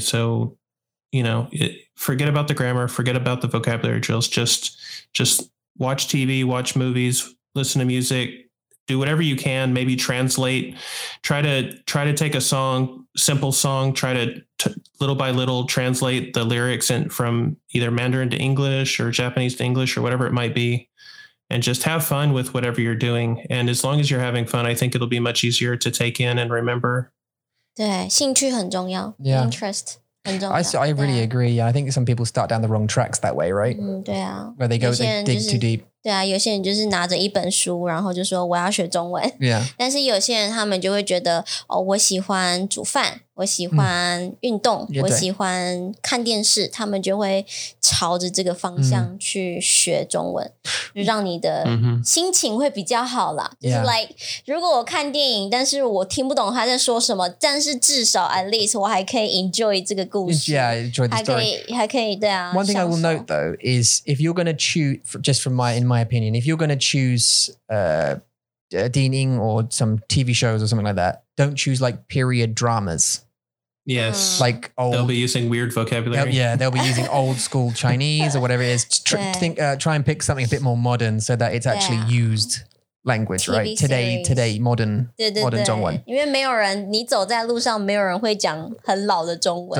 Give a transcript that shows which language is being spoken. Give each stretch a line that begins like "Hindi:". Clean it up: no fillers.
English: So, forget about the grammar, forget about the vocabulary drills, just watch TV, watch movies, listen to music, do whatever you can, maybe translate, try to take a song, simple song, try to little by little translate the lyrics and from either Mandarin to English or Japanese to English or whatever it might be. And just have fun with whatever you're doing. And as long as you're having fun, I think it'll be much easier to take in and remember.
Chinese: 对，兴趣很重要。
English: Yeah. Interest
Chinese: 很重要。
English: I really agree. Yeah, I think some people start down the wrong tracks that way, right?
Chinese: 对啊。
English: Where they go, they dig too deep.
Chinese: 对啊，有些人就是拿着一本书，然后就说我要学中文。
English: Yeah.
Chinese: 但是有些人他们就会觉得，哦，我喜欢煮饭，我喜欢运动，我喜欢看电视，他们就会朝着这个方向去学中文。让你的心情会比较好啦。Mm-hmm. 就是
English: like,
Chinese: 如果我看电影，但是我听不懂他在说什么，但是至少
English: at least
Chinese: 我还可以
English: enjoy
Chinese: 这个故事。
English: Yeah, enjoy the story.
Chinese: 还可以对啊。
English: One thing I will note though is if you're going to choose, just in my opinion, if you're going to choose Dining or some TV shows or something like that, don't choose like period dramas. Yes. Like old. They'll be using weird vocabulary. They'll be using old school Chinese or whatever it is. Try and pick something a bit more modern so that it's actually used language, TV right? Today, modern,
Chinese: 对, modern 中文。因为没有人，你走在路上，没有人会讲很老的中文。